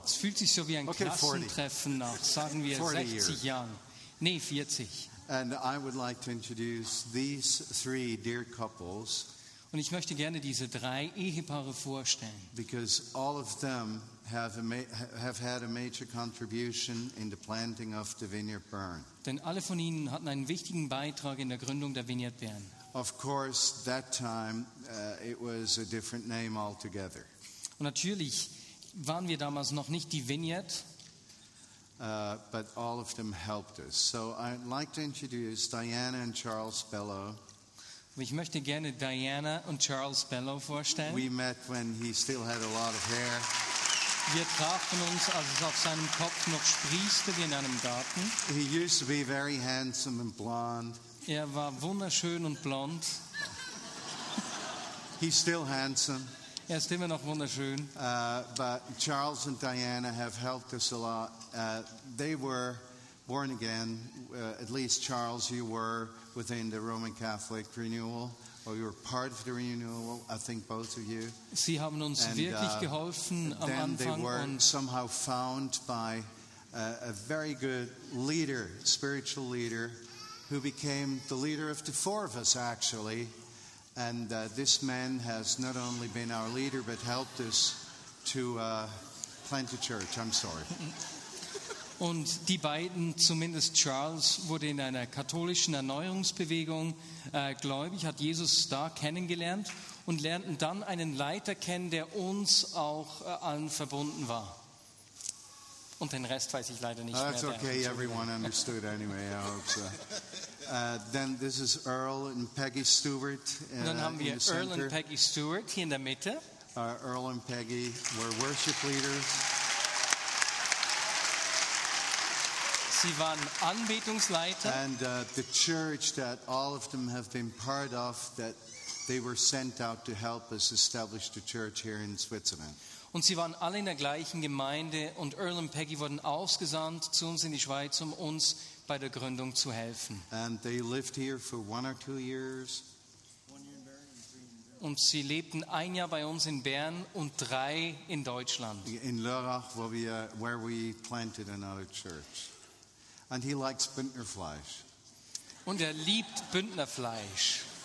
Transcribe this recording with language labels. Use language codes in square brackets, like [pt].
[de] Es fühlt sich so wie ein Klassentreffen nach, sagen wir, 60 Jahren. Nee, 40. [en] And I would like to introduce these three dear couples. [de] Und ich möchte gerne diese drei Ehepaare vorstellen. [en] Because all of them have had a major contribution in the planting of the Vineyard Bern. [de] Denn alle von ihnen hatten einen wichtigen Beitrag in der Gründung der Vineyard Bern. [en] Of course, that time it was a different name altogether. [de] Und natürlich waren wir damals noch nicht die Vineyard. [en] But all of them helped us. So I'd like to introduce Diana and Charles Bellow. [de] Ich möchte gerne Diana und Charles Bellow vorstellen. [en] We met when he still had a lot of hair. [de] Wir trafen uns, als es auf seinem Kopf noch sprießte, wie in einem Garten. [en] He used to be very handsome and blonde. [de] Er war wunderschön und blond. [en] He's still handsome. [de] Er ist immer noch wunderschön. [en] But Charles and Diana have helped us a lot. They were born again, at least Charles, you were within the Roman Catholic renewal, or you were part of the renewal, I think both of you. [de] Sie haben uns [en] and, [de] wirklich geholfen am [en] then [de] Anfang [en] they were somehow found by a very good leader, spiritual leader, who became the leader of the four of us, actually. And this man has not only been our leader, but helped us to plant a church. I'm sorry. [de] Und die beiden, zumindest Charles, wurde in einer katholischen Erneuerungsbewegung gläubig, hat Jesus da kennengelernt und lernten dann einen Leiter kennen, der uns auch allen verbunden war. Und den Rest weiß ich leider nicht [en] That's [de] mehr. [en] That's okay, everyone understood anyway, I hope so. Then this is Earl and Peggy Stewart. [de] Und dann haben wir Earl und Peggy Stewart hier in der Mitte. [en] Earl und Peggy were worship leaders. [de] Sie waren Anbetungsleiter. [en] And the church that all of them have been part of, that they were sent out to help us establish the church here in Switzerland. [de] Und sie waren alle in der gleichen Gemeinde und Earl und Peggy wurden ausgesandt zu uns in die Schweiz, um uns bei der Gründung zu helfen. [en] And they lived here for one or two years. [de] Und sie lebten ein Jahr bei uns in Bern und drei in Deutschland. [en] In Lörrach, where we planted another church. And he likes Bündnerfleisch. [de] Und er liebt Bündnerfleisch.